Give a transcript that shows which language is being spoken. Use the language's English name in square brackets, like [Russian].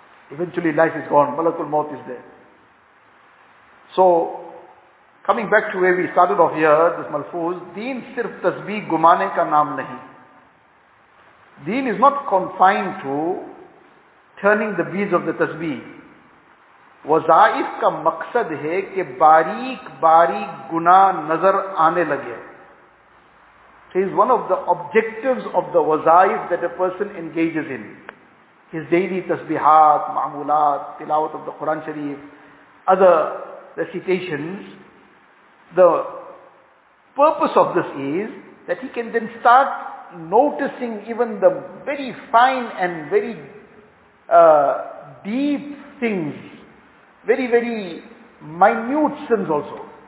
[English] Eventually life is gone, Malakul Maut is there. So, coming back to where we started off here, this malfooz, [Urdu] Deen sirf tasbih gumane ka naam nahi. [English] Deen is not confined to turning the beads of the tasbih. [Urdu] وظائف کا مقصد ہے کہ باریک باریک گناہ نظر آنے لگے. [English] So it's one of the objectives of the wazaif that a person engages in. His daily tasbihat, ma'amulat, tilawat of the Quran Sharif, other recitations. The purpose of this is that he can then start noticing even the very fine and very deep things, very, very minute sins also.